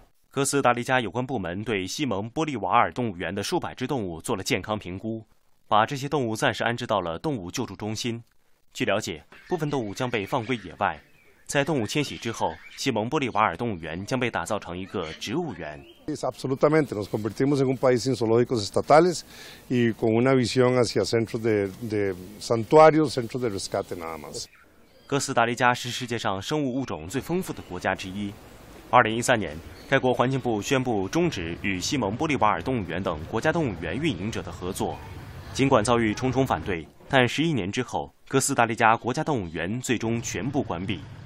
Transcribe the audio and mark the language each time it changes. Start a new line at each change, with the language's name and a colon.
Chinese: 哥斯达黎加有关部门对西蒙·玻利瓦尔动物园的数百只动物做了健康评估，把这些动物暂时安置到了动物救助中心。据了解，部分动物将被放归野外。在动物迁徙之后，西蒙·玻利瓦尔动物园将被打造成一个植物园。
Spanish: Es absolutamente. Nos convertimos en un país sin zoológicos estatales y con una visión hacia centros de santuarios, centros de rescate nada más.
Chinese: 哥斯达黎加是世界上生物物种最丰富的国家之一。 2013年，该国环境部宣布终止与西蒙玻利瓦尔动物园等国家动物园运营者的合作。尽管遭遇重重反对，但11年之后，哥斯达黎加国家动物园最终全部关闭。